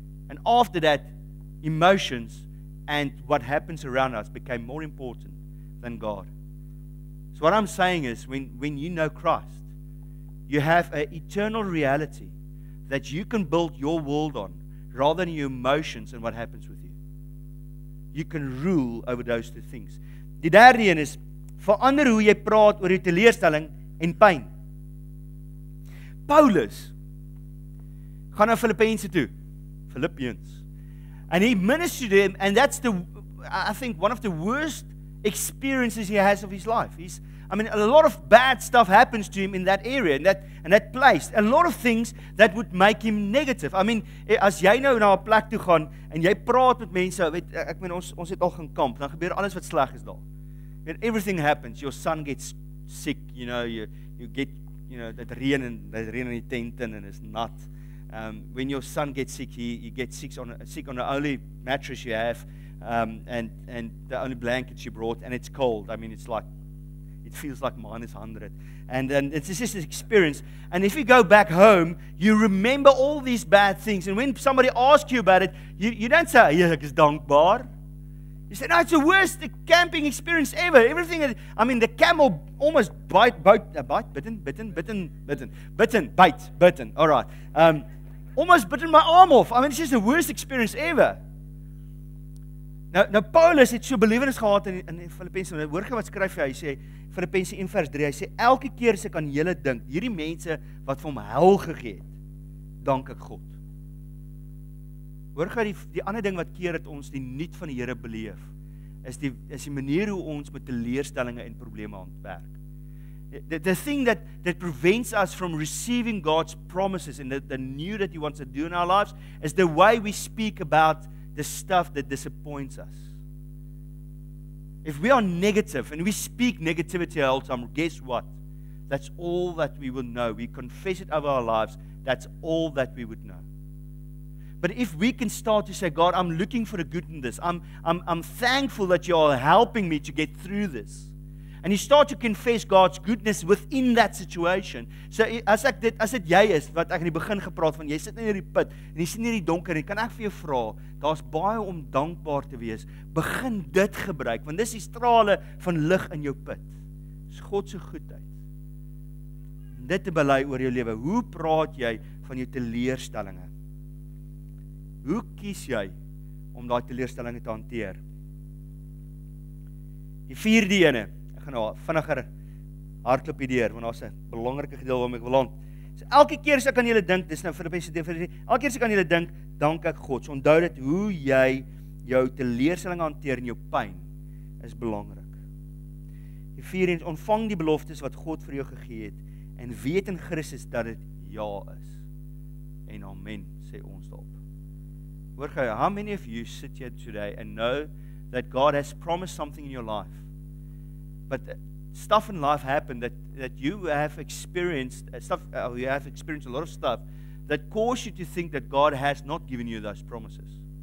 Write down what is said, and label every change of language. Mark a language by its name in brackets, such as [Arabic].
[English] And after that, emotions and what happens around us became more important than God. So what I'm saying is, when you know Christ, you have an eternal reality that you can build your world on rather than your emotions and what happens with you. You can rule over those two things. [Afrikaans] Die derde een is, verander hoe jy praat oor die teleurstelling en pyn. Paulus gaan na Filippense toe. Filippians. [English] And he ministered to them, and that's the, I think, one of the worst experiences he has of his life. A lot of bad stuff happens to him in that area, in that place. A lot of things that would make him negative. I mean, [Afrikaans] as jy nou na 'n plek toe gaan, en jy praat met mense, ons het al gaan kamp, dan gebeur alles wat sleg is daar. [English] When everything happens, your son gets sick, you know, you get that rain and that rain [Afrikaans] in die tent [English] and it's nat. When your son gets sick, he gets sick on the only mattress you have, and the only blankets you brought, and it's cold. I mean, it's like, it feels like minus 100. And then it's just an experience. And if you go back home, you remember all these bad things. And when somebody asks you about it, you don't say, yeah, it's dankbaar. He said, no, it's the worst camping experience ever. Everything, the camel almost bitten. All right. Almost bitten my arm off. I mean, it's just the worst experience ever. [Afrikaans] Now Paulus het so belewenis gehad in Filippense. Hoor gou wat skryf hy. Hy sê, Filippense 1 vers 3, hy sê, elke keer as ek aan julle dink, hierdie mense wat vir hom hel gegee het, dank ek God. Hoor gou die ander ding wat keer dat ons die nuut van die Here beleef is die manier hoe ons met teleurstellings en probleme hanteer. [English] The thing that prevents us from receiving God's promises and the new that he wants to do in our lives is the way we speak about the stuff that disappoints us. If we are negative and we speak negativity all the time, guess what? That's all that we will know. We confess it over our lives. That's all that we would know. But if we can start to say, God, I'm looking for the good in this. I'm thankful that you are helping me to get through this. And you start to confess God's goodness within that situation. [Afrikaans] So as ek dit, as dit jy is, wat ek in die begin gepraat van, jy sit in hierdie put, en jy sien hierdie donker, en kan ek vir jou vra, daar's baie om dankbaar te wees, begin dit gebruik, want dis die strale van lig in jou put. Dis God se goedheid. En dit te bely oor jou lewe, hoe praat jy van jou teleurstellinge? Hoe kies jy om daai teleurstellinge te hanteer? Die vierde ene, ek gaan nou vinniger hardloop hierdeur, want daar's 'n belangrike gedeelte waarmee ek wil aan. So elke keer as ek aan julle dink, dis nou Filippense 3:14, elke keer as ek aan julle dink, dank ek God. So onthou dit, hoe jy jou teleurstelling hanteer en jou pyn is belangrik. Die vierde ene, ontvang die beloftes wat God vir jou gegee het en weet in Christus dat dit ja is. En amen, sê ons daarop. Hoor gou, [English] how many of you sit here today and know that God has promised something in your life, but stuff in life happened that you have experienced stuff. You have experienced a lot of stuff that caused you to think that God has not given you those promises.